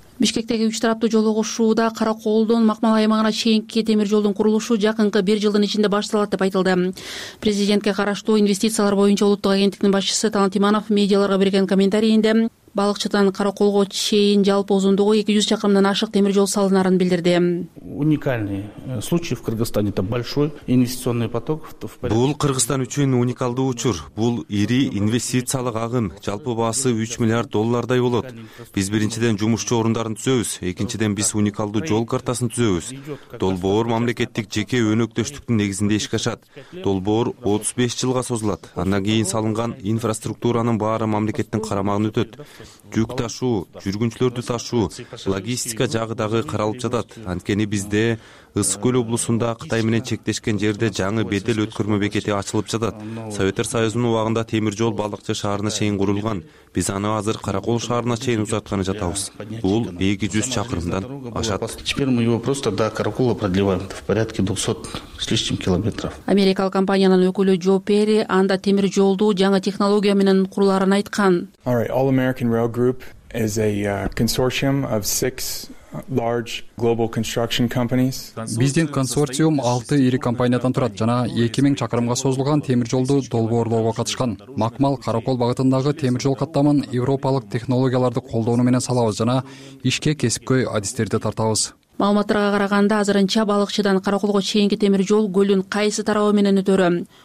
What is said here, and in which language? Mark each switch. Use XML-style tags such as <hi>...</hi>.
<ky>Бишкектеги үч тараптуу жол кошууда Каракоолдон Макмал аймагына чейинки темир жолдун курулушу жакынкы бир жылдын ичинде башталат деп айтылды. Президентке караштуу инвестициялар боюнча улуттук агенттиктин башчысы Талант Иманов медиаларга берген комментарийинде Балыкчыдан Каракоолго чейин жалпы узундугу 200 чакырымдан ашык темир жол салынарын билдирди.</ky> <ru>Уникальный случай в Кыргызстане, это большой инвестиционный поток.</ru> <ky>Бул Кыргызстан үчүн уникалдуу учур. Бул ири инвестициялык агым, жалпы баасы 3 миллиард доллардай болот. Биз биринчиден жумушчу орундарын түзөбүз, экинчиден биз уникалдуу жол картасын түзөбүз. Долбоор мамлекеттик жеке өнөктөштүктүн негизинде иш кашат. Долбоор 35 жылга созулат. Андан кийин салынган инфраструктуранын баары мамлекеттин карамагына өтөт. Жүк ташуу, жүргүнчүлөрдү ташуу, логистика жагы дагы каралып жатат. Анткени бизде Ысык Көл облусунда Кытай менен чектешкен жерде жаңы бедел өткөрмө бекети ачылып жатат. Советтер Союзунун убагында темир жол Балыкчы шаарына чейин курулган. Биз аны азыр Каракол шаарына чейин узартканы жатабыз. Бул 200 чакырымдан ашат.</ky> <ru>Теперь мы его просто до Каракола продлеваем. В порядке 200 с лишним километров.</ru> <ky>Америкалык компаниянын өкүлү Джо Перри анда темир жолду жаңы технология менен куруларын айткан.</ky> <en>All right, All American Rail Group is a consortium of 6 large global construction companies.</en> <ky>Биздин консорциум 6 ири компаниядан турат жана 2000 чакырымга созулган темир жолду долбоорлоого катышкан. Макмал Каракол багытындагы темир жол каттамын европалык технологияларды колдонуу менен салабыз жана ишке кесипкөй адистерди тартабыз. Маалыматтарга караганда, азырынча Балыкчыдан Каракулго чейинки темир жол көлүн кайсы тарабы менен өтөрү?</ky>